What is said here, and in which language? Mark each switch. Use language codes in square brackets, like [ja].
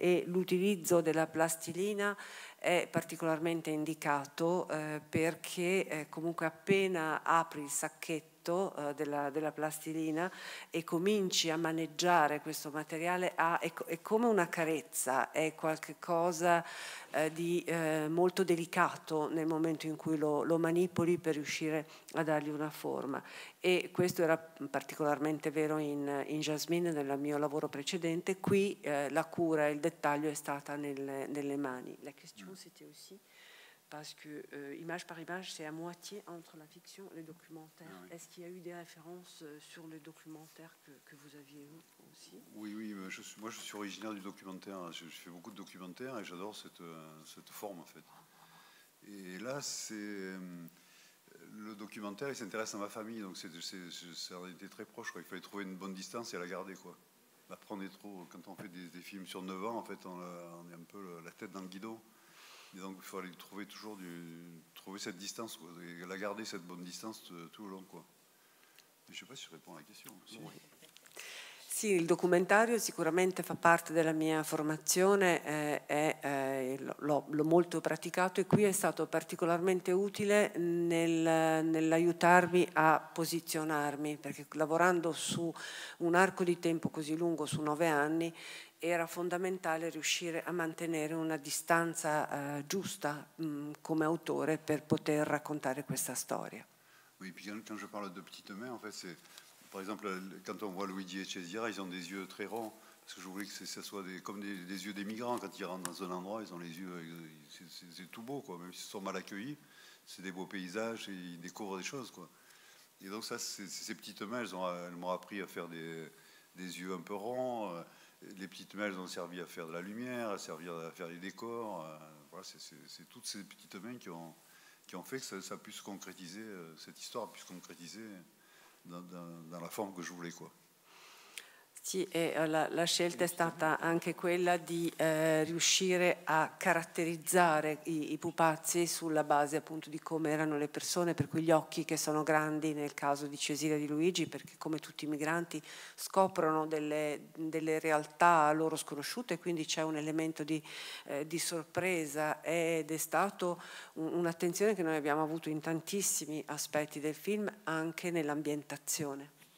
[it] E l'utilizzo della plastilina è particolarmente indicato perché comunque appena apri il sacchetto della plastilina e cominci a maneggiare questo materiale, è come una carezza, è qualcosa di molto delicato nel momento in cui lo manipoli per riuscire a dargli una forma. E questo era particolarmente vero in Jasmine nel mio lavoro precedente. Qui la cura e il dettaglio è stata nelle mani. [fr] La question c'était aussi parce que image par image, c'est à moitié entre la fiction et le documentaire. Ah, oui. Est-ce qu'il y a eu des références sur le documentaire que vous aviez eu aussi? Oui, oui, je suis originaire du documentaire. Je fais beaucoup de documentaires et j'adore cette forme, en fait. Et là, c'est le documentaire, il s'intéresse à ma famille, donc ça a été très proche, quoi. Il fallait trouver une bonne distance et la garder, quoi. Après, on est trop... Quand on fait des films sur 9 ans, en fait, on est un peu la tête dans le guidon. Et donc il fallait trouver cette distance, quoi, et la garder, cette bonne distance tout au long, quoi. Mais je ne sais pas si je réponds à la question. Oui. [it] Sì, il documentario sicuramente fa parte della mia formazione, l'ho molto praticato, e qui è stato particolarmente utile nell'aiutarmi a posizionarmi, perché lavorando su un arco di tempo così lungo, su 9 anni, era fondamentale riuscire a mantenere una distanza giusta come autore per poter raccontare questa storia. [fr] Oui, puis quand je parle de petites mains, en fait, c'est par exemple quand on voit Luigi et Cesira, ils ont des yeux très ronds, parce que je voulais que ça soit comme des yeux des migrants. Quand ils rentrent dans un endroit, ils ont les yeux, c'est tout beau, quoi. Même s'ils sont mal accueillis, c'est des beaux paysages et ils découvrent des choses, quoi. Et donc ça, c'est ces petites mains, elles m'ont appris à faire des yeux un peu ronds. Les petites mains, elles ont servi à faire de la lumière, à servir à faire les décors. Voilà, c'est toutes ces petites mains qui ont fait que ça puisse concrétiser, cette histoire puisse concrétiser dans la forme que je voulais, quoi. [it] Sì, e la scelta è stata anche quella di riuscire a caratterizzare i pupazzi sulla base appunto di come erano le persone, per cui gli occhi che sono grandi nel caso di Cesira e di Luigi, perché come tutti i migranti scoprono delle realtà loro sconosciute, quindi c'è un elemento di sorpresa, ed è stato un'attenzione che noi abbiamo avuto in tantissimi aspetti del film, anche nell'ambientazione.